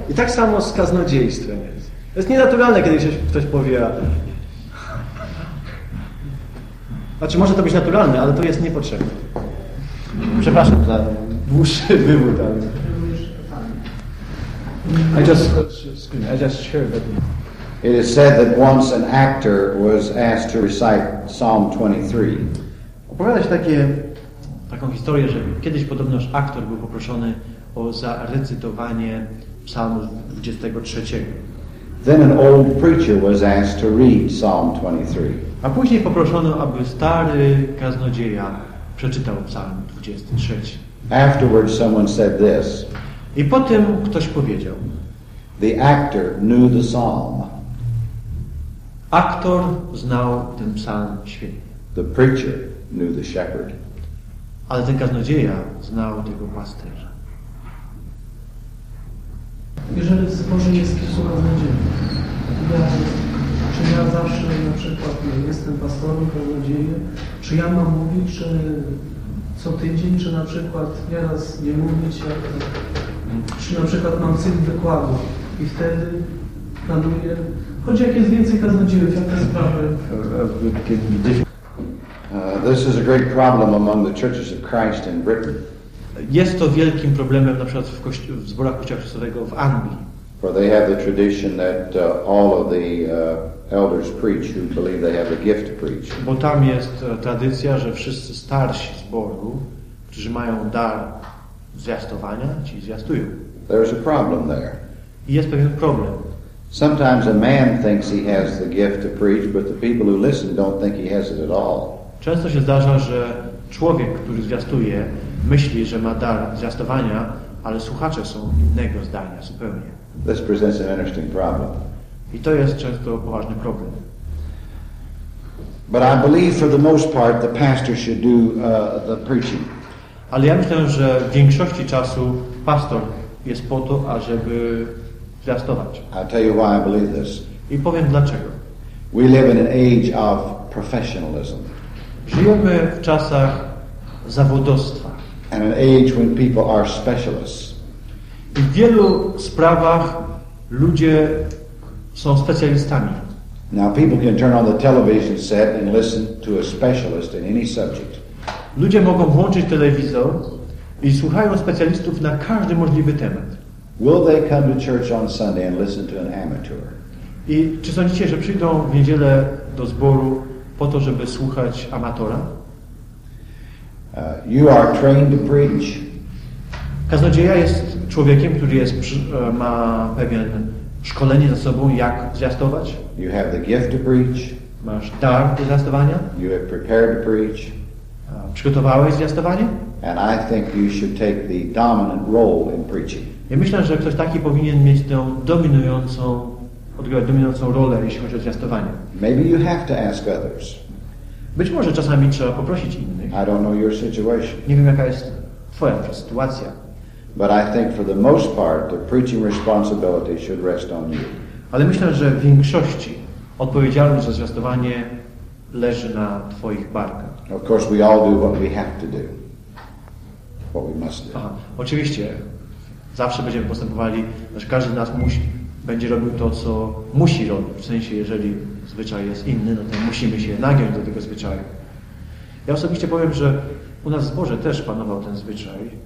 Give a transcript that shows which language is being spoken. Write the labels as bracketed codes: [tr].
[pl] I tak samo z kaznodziejstwem jest. To jest nienaturalne, kiedy ktoś powie... Znaczy, może to być naturalne, ale to jest niepotrzebne. Przepraszam za dłuższy wywód, ale... [en] I just heard that... It is said that once an actor was asked to recite Psalm 23. [pl] Opowiada się taką historię, że kiedyś podobno już aktor był poproszony o zarecytowanie Psalmu 23. [en] Then an old preacher was asked to read Psalm 23. [pl] A później poproszono, aby stary kaznodzieja przeczytał Psalm 23. [en] Afterwards someone said this. [pl] I potem ktoś powiedział. [en] The actor knew the psalm. [pl] Aktor znał ten psalm świetnie. [en] The preacher knew the shepherd. [pl] Ale ten kaznodzieja znał tego pasterza. Jeżeli w zborze jest kilku kaznodziei, to ja, czy ja zawsze na przykład jestem pastorem kaznodzieje, czy ja mam mówić, czy co tydzień, czy na przykład nieraz nie mówić, jak, czy na przykład mam cykl wykładu i wtedy planuję, choć jak jest więcej kaznodziejów, jaka sprawa? [en] This is a great problem among the churches of Christ in Britain. [pl] Jest to wielkim problemem na przykład w zborach Kościoła Chrystusowego w Anglii. [en] For they have the tradition that all of the elders preach who believe they have the gift to preach. [pl] Bo tam jest tradycja, że wszyscy starsi zboru, którzy mają dar zwiastowania, ci zwiastują. [en] There is a problem there. [pl] I jest pewien problem. [en] Sometimes a man thinks he has the gift to preach, but the people who listen don't think he has it at all. [pl] Często się zdarza, że człowiek, który zwiastuje, myśli, że ma dar zwiastowania, ale słuchacze są innego zdania zupełnie. [en] This presents an interesting problem. [pl] I to jest często poważny problem. [en] But I believe for the most part the pastor should do the preaching. [pl] Ale ja myślę, że w większości czasu pastor jest po to, ażeby zwiastować. [en] I'll tell you why I believe this. [pl] I powiem dlaczego. [en] We live in an age of professionalism. [pl] Żyjemy w czasach zawodowstwa. [en] And an age when people are specialists. [pl] I w wielu sprawach ludzie są specjalistami. [en] Now people can turn on the television set and listen to a specialist in any subject. [pl] Ludzie mogą włączyć telewizor i słuchają specjalistów na każdy możliwy temat. [en] Will they come to church on Sunday and listen to an amateur? [pl] I czy sądzicie, że przyjdą w niedzielę do zboru po to, żeby słuchać amatora? [en] You are trained to preach. [pl] Kaznodzieja jest człowiekiem, który jest ma pewien szkolenie za sobą, jak zwiastować. [en] You have the gift to preach. [pl] Masz dar do zwiastowania. [en] You have prepared to preach. [pl] Przygotowałeś zwiastowanie. [en] And I think you should take the dominant role in preaching. [pl] Ja myślę, że ktoś taki powinien mieć tę dominującą rolę, jeśli chodzi o zwiastowanie. [en] Maybe you have to ask others. [pl] Być może czasami trzeba poprosić innych. [en] I don't know your situation. [pl] Nie wiem, jaka jest twoja sytuacja. [en] But I think for the most part the preaching responsibility should rest on you. [pl] Ale myślę, że w większości odpowiedzialność za zwiastowanie leży na twoich barkach. [en] Of course we all do what we have to do. What we must do. [pl] Aha, oczywiście zawsze będziemy postępowali, że każdy z nas musi będzie robił to, co musi robić. W sensie, jeżeli zwyczaj jest inny, no to musimy się nagiąć do tego zwyczaju. Ja osobiście powiem, że u nas w zborze też panował ten zwyczaj.